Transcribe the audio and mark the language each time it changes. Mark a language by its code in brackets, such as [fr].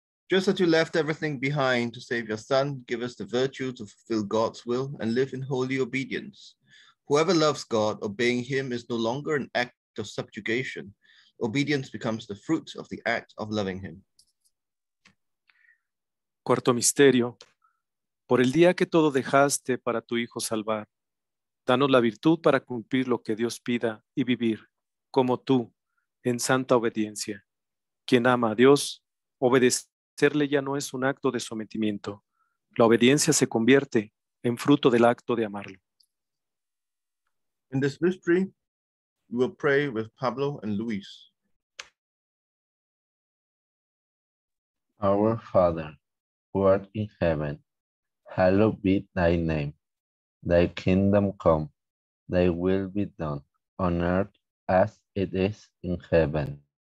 [en] Just as you left everything behind to save your son, give us the virtue to fulfill God's will and live in holy obedience. Whoever loves God, obeying him is no longer an act of subjugation. Obedience becomes the fruit of the act of loving him. [es] Cuarto misterio, por el día que todo dejaste para tu Hijo salvar, danos la virtud para cumplir lo que Dios pida y vivir, como tú, en santa obediencia. Quien ama a Dios, obedecerle ya no es un acto de sometimiento. La obediencia se convierte en fruto del acto de amarlo. [en] In this mystery, we will pray with Pablo and Luis. Our Father, who art in heaven, hallowed be thy name. Thy kingdom come, thy will be done, on earth as it is in heaven.